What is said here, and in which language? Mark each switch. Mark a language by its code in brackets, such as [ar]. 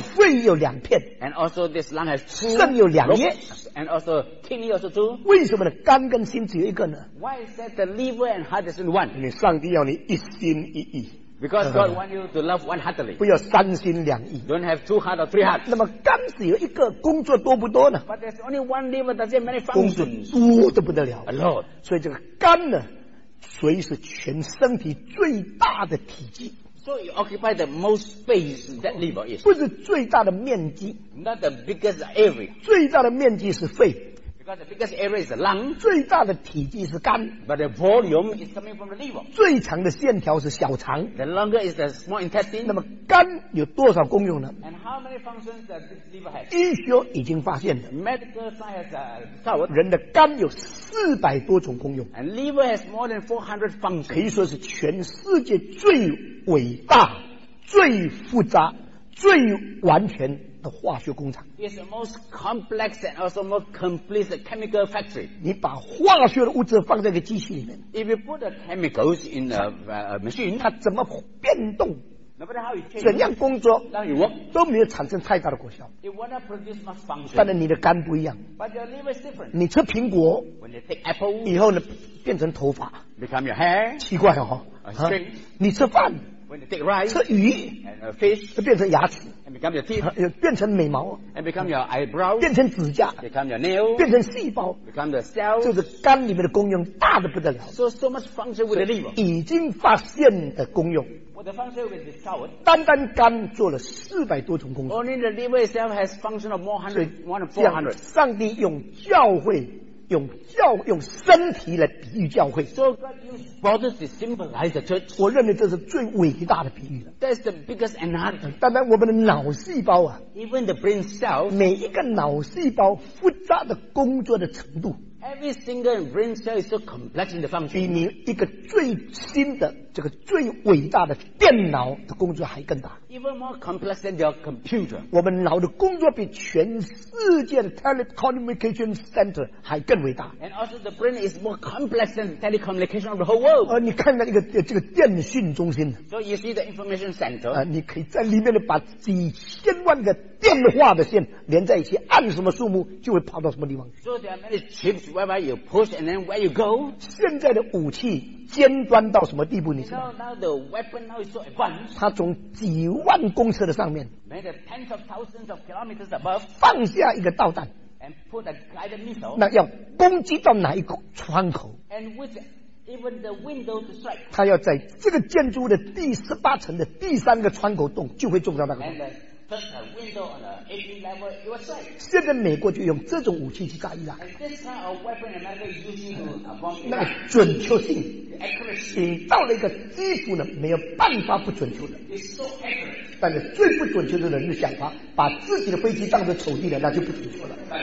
[zh] 肺有两片。 [en] And also this lung has two. [zh] 肾有两叶。 [en] And also kidney also two. [zh] 为什么呢？肝跟心只有一个呢？ [en] Why is that the liver and heart is only one? [zh] 你上帝要你一心一意。 [en] Because God wants you to love one heartedly. [zh] 不要三心两意。 [en] Don't have two hearts or three hearts. [zh] 那么肝只有一个，工作多不多呢？ [en] But there's only one liver that has many functions. [zh] 工作多得不得了。 [en] A lot. [zh] 所以这个肝呢，所以是全身体最大的体积。 [en] So you occupy the most space that liver is. [zh] 不是最大的面积。 [en] Not the biggest area. [zh] 最大的面积是肺。 [en] Because the biggest area is the lung. [zh] 最大的体积是肝。 [en] But the volume is coming from the liver. [zh] 最长的线条是小肠。 [en] The longer is the small intestine. [zh] 那么肝有多少功用呢？ [en] And how many functions does this liver have? [zh] 医学已经发现了。 [en] Medical science has found. [zh] 人的肝有400多种功用。 [en] And liver has more than 400 functions. [zh] 可以说是全世界最伟大、最复杂、最完全的化学工厂。 [en] It's the most complex and also most complete chemical factory. [zh] 你把化学的物质放在个机器里面。 [en] If you put the chemicals in a machine, [zh] 它怎么变动？ [en] No matter how it changes, [zh] 怎样工作？ [en] Now you work, [zh] 都没有产生太大的果效。 [en] It will not produce much function. [zh] 但是你的肝不一样。 [en] But your liver is different. [zh] 你吃苹果， [en] when you take apples, [zh] 以后呢变成头发。 [en] Become your hair. [zh] 奇怪哦。啊、你吃饭。 [en] When you take rice, [zh] 吃鱼 [en] and a fish, [zh] 就变成牙齿 [en] and become your teeth, [zh] 变成眉毛 [en] and become your eyebrows, [zh] 变成指甲 [en] become your nail, [zh] 变成细胞 [en] become the cells, [zh] 就是肝里面的功用大得不得了 [en] so much function with the liver [zh] 已经发现的功用 [en] well, the function with the cell, [zh] 单单肝做了400多种功用 [en] only the liver itself has function of more than 400 [zh] 上帝用教会用身体来比喻教会。 [en] So God used bodies to symbolize the church. [zh] 我认为这是最伟大的比喻了。 [en] That's the biggest analogy. [zh] 单单我们的脑细胞啊 [en] ，Even the brain cells. [zh] 每一个脑细胞复杂的工作的程度 [en] ，Every single brain cell is so complex in the function. [zh] 比你一个最新的这个最伟大的电脑的工作还更大。 [en] Even more complex than your computer. [zh] 我们脑的工作比全世界的 telecommunication center 还更伟大。 [en] And also the brain is more complex than telecommunication of the whole world. [zh] 你看到一个这个电讯中心。 [en] So you see the information center. [zh] 你可以在里面把几千万个电话的线连在一起，按什么数目就会跑到什么地方。 [en] So there are many chips wherever you push and then where you go. [zh] 现在的武器尖端到什么地步？你知道？ [en] Now the weapon now is so advanced. [zh] 它从几万公尺的上面 [en] made tens of thousands of kilometers above, [zh] 放下一个导弹 [en] and put a guided missile, [zh] 那要攻击到哪一个窗口 [en] and with even the window to strike, [zh] 它要在这个建筑的第十八层的第三个窗口洞就会中到那个洞 [en] and the first window on the 18th level it will strike. [zh] 现在美国就用这种武器去炸伊朗 [en] and this kind of weapon America is using to bomb Iran. [zh] 那个准确性 [en] Accuracy. [zh] 你到了一个基础呢没有办法不准确的、 [en] so、 [zh] 但是最不准确的人的想法把自己的飞机当成丑地了那就不准确了